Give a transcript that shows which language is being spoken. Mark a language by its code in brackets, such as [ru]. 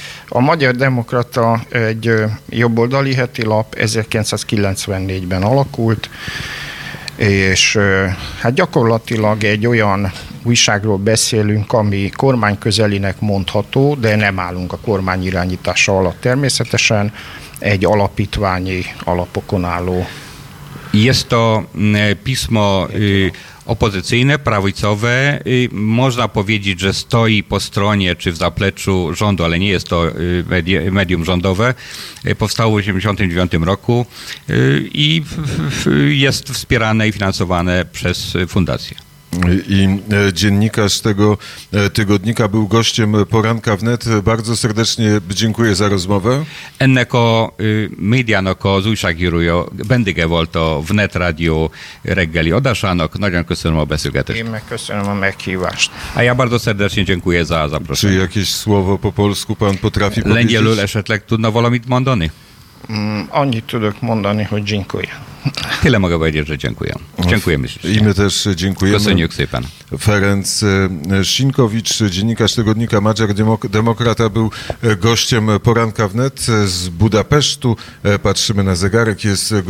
[hu] A Magyar Demokrata egy jobboldali heti lap, 1994-ben alakult, és hát gyakorlatilag egy olyan újságról beszélünk, ami kormányközelinek mondható, de nem állunk a kormány irányítása alatt természetesen. egy alapítványi alapokon álló. [pl] Jest to pismo opozycyjne, prawicowe. Można powiedzieć, że stoi po stronie czy w zapleczu rządu, ale nie jest to medium rządowe. Powstało w 1989 roku i jest wspierane i finansowane przez fundację. I dziennikarz tego tygodnika był gościem Poranka Wnet. Bardzo serdecznie dziękuję za rozmowę. [hu] Enneko medianoko zújságíró vendége volt a Wnet Radio reggeli adásának. Nagyon köszönöm a beszélgetést. Én megköszönöm a meghívást. [pl] A ja bardzo serdecznie dziękuję za zaproszenie. Czy jakieś słowo po polsku pan potrafi powiedzieć? [hu] Lengyelül esetleg tudna valamit mondani? Annyit tudok mondani, hogy dziękuję. [pl] Tyle mogę powiedzieć, że dziękuję. Dziękujemy. I my też dziękujemy. [hu] Köszönjük szépen. [pl] Ferenc Sinkowicz, dziennikarz tygodnika Magyar Demokrata, był gościem Poranka Wnet z Budapesztu. Patrzymy na zegarek, jest godzina.